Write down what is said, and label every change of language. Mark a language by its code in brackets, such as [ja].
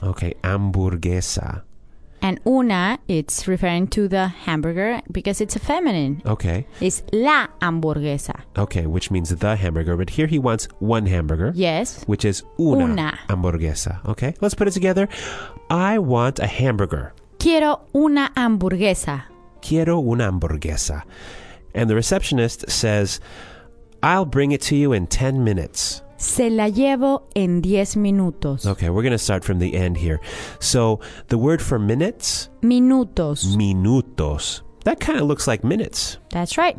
[en] Okay. Hamburguesa. And una, it's referring to the hamburger because it's a feminine. Okay. It's [es] la hamburguesa. [en] Okay, which means the hamburger. But here he wants one hamburger. Yes. Which is [es] una hamburguesa. [en] Okay, let's put it together. I want a hamburger. [es] Quiero una hamburguesa. Quiero una hamburguesa. [en] And the receptionist says, I'll bring it to you in 10 minutes. [es] Se la llevo en 10 minutos. [en] Okay, we're going to start from the end here. So, the word for minutes? [es] Minutos. Minutos. [en] That kind of looks like minutes. That's right.